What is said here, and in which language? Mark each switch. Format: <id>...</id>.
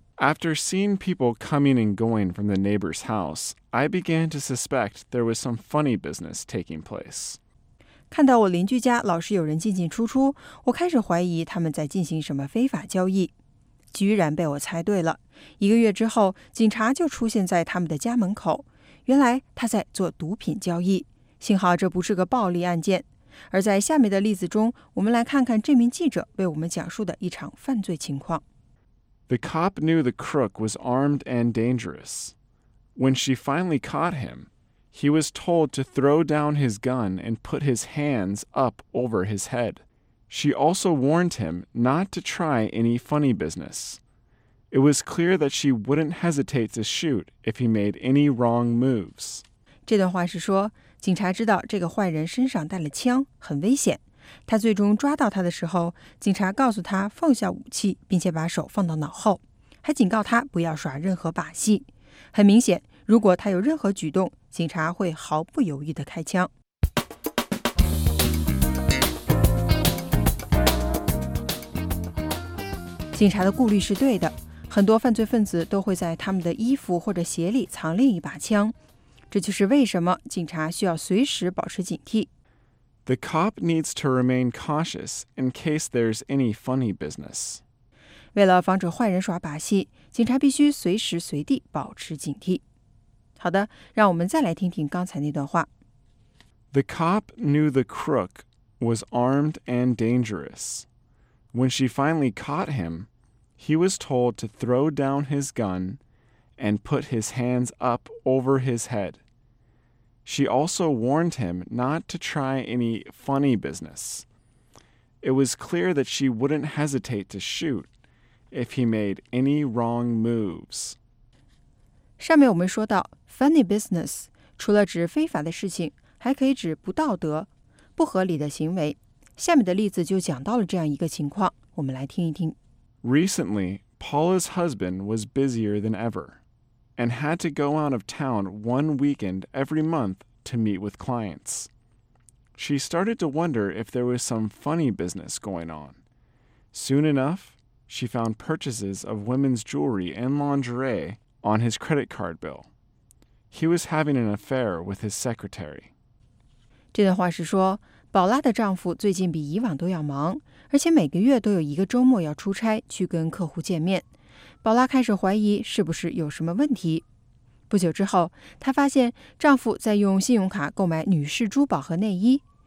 <en>After seeing people coming and going from the neighbor's house, I began to suspect there was some funny business taking place.</en> <zh>看到我邻居家老是有人进进出出，我开始怀疑他们在进行什么非法交易。居然被我猜对了。一个月之后，警察就出现在他们的家门口。原来他在做毒品交易。幸好这不是个暴力案件。而在下面的例子中，我们来看看这名记者为我们讲述的一场犯罪情况。</zh> <en>The cop knew the crook was armed and dangerous. When she finally caught him,He was told to throw down his gun and put his hands up over his head. She also warned him not to try any funny business. It was clear that she wouldn't hesitate to shoot if he made any wrong moves.</en> <zh>这段话是说，警察知道这个坏人身上带了枪，很危险，他最终抓到他的时候，警察告诉他放下武器，并且把手放到脑后，还警告他不要耍任何把戏。很明显，如果他有任何举动，警察会毫不犹豫地开枪。警察的顾虑是对的，很多犯罪分子都会在他们的衣服或者鞋里藏另一把枪，这就是为什么警察需要随时保持警惕。</zh> <en>The cop needs to remain cautious in case there's any funny business.</en> <zh>为了防止坏人耍把戏，警察必须随时随地保持警惕。好的，让我们再来听听刚才那段话。</zh> <en>The cop knew the crook was armed and dangerous. When she finally caught him, he was told to throw down his gun and put his hands up over his head. She also warned him not to try any funny business. It was clear that she wouldn't hesitate to shoot if he made any wrong moves.</en> <zh>上面我们说到 funny business 除了指非法的事情，还可以指不道德、不合理的行为。下面的例子就讲到了这样一个情况，我们来听一听。</zh> <en>Recently, Paula's husband was busier than ever and had to go out of town one weekend every month to meet with clients. She started to wonder if there was some funny business going on. Soon enough, she found purchases of women's jewelry and lingerie on his credit card bill. He was having an affair with his secretary.</en> <zh>这段话是说，宝拉的丈夫最近比以往都要忙，而且每个月都有一个周末要出差去跟客户见面。宝拉开始怀疑是不是有什么问题。不久之后，她发现丈夫在用信用卡购买女士珠宝和内衣。</zh>